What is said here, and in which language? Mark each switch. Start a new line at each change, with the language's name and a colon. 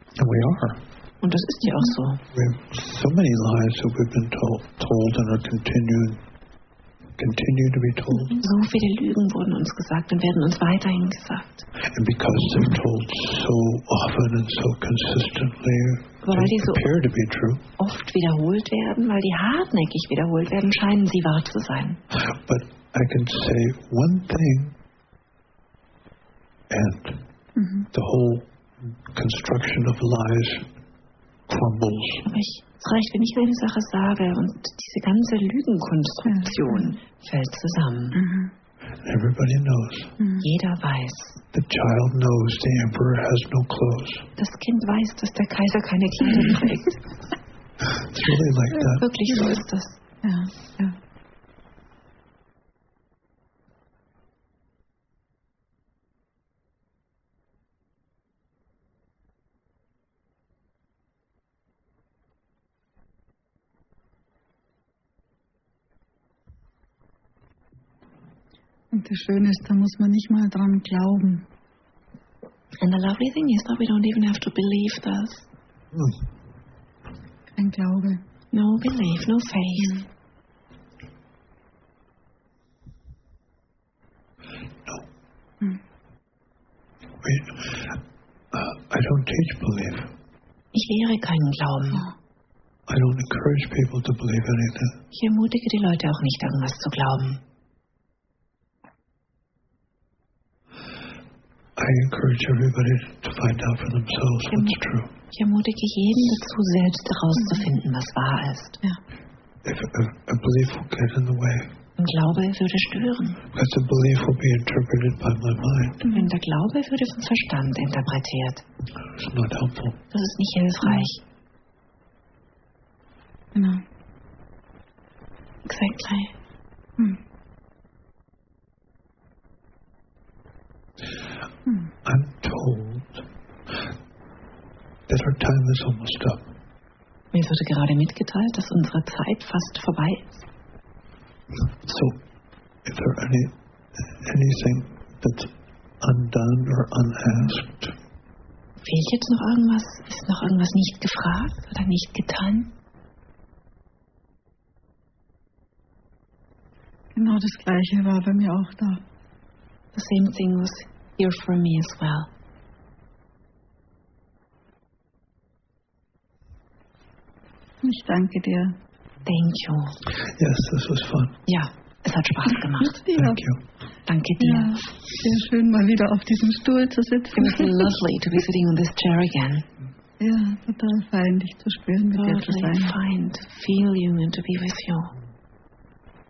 English: And we are.
German: Und das ist ja auch so.
English: We have so many lies that we've been told and are continue to be told.
German: So viele Lügen wurden uns gesagt und werden uns weiterhin gesagt.
English: And because they're told so often and so consistently,
German: weil die so
English: appear to be true.
German: Oft wiederholt werden, weil die hartnäckig wiederholt werden, scheinen sie wahr zu sein.
English: But I can say one thing and the whole construction of lies crumbles.
German: Es reicht, wenn ich eine Sache sage und diese ganze Lügenkonstruktion fällt zusammen.
English: Everybody knows.
German: Jeder weiß.
English: The child knows the emperor has no clothes.
German: Das Kind weiß, dass der Kaiser keine Kleider trägt.
English: It's really like that.
German: Wirklich so ist das. Ja, ja. Und das Schöne ist, da muss man nicht mal dran glauben.
English: And the lovely thing is that we don't even have to believe this.
German: Kein Glaube.
English: No belief, no faith. No. I don't teach belief.
German: Ich lehre keinen Glauben.
English: I don't encourage people to believe anything.
German: Ich ermutige die Leute auch nicht, irgendwas zu glauben.
English: I encourage everybody to find out for themselves what's true.
German: Ich ermutige jeden dazu, selbst herauszufinden, was wahr ist. Ja.
English: If a belief will get in the way.
German: Ein Glaube würde stören.
English: Because a belief will be interpreted by my mind.
German: Wenn der Glaube würde vom Verstand interpretiert.
English: It's not helpful.
German: Das ist nicht hilfreich. Genau.
English: Exactly. I'm told that our time is almost up.
German: Mir wurde gerade mitgeteilt, dass unsere Zeit fast vorbei ist.
English: So, if there anything that's undone or unasked.
German: Fehlt jetzt noch irgendwas? Ist noch irgendwas nicht gefragt oder nicht getan? Genau das Gleiche war bei mir auch da.
English: The same thing was here for me as well.
German: Ich danke dir.
English: Thank you. Yes, this was fun.
German: Ja, es hat Spaß gemacht.
English: Thank
German: ja.
English: you.
German: Danke dir. Ja, sehr schön, mal wieder auf diesem Stuhl zu sitzen.
English: It was lovely to be sitting on this chair again.
German: Ja, total fein, dich zu spüren, mit dir zu sein. Total fein,
English: to feel you and to be with you.